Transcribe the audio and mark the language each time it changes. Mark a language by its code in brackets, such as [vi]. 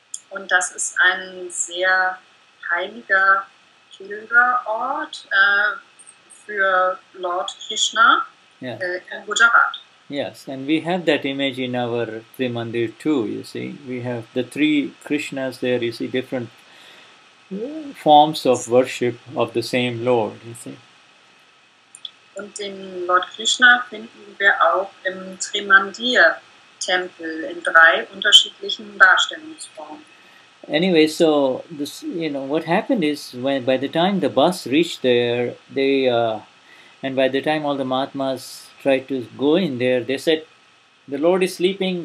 [de] Und das ist ein sehr heiliger Pilgerort für Lord Krishna, yes. [en] In Gujarat. Yes, and we have that image in our Trimandir too, you see. We have the three Krishnas there, you see, different forms of worship of the same Lord, you see. [de] Und den Lord Krishna finden wir auch im Trimandir-Tempel in drei unterschiedlichen Darstellungsformen. [en] Anyway, so this, you know, what happened is when by the time the bus reached there, and by the time all the Mahatmas tried to go in there, they said, "The Lord is sleeping.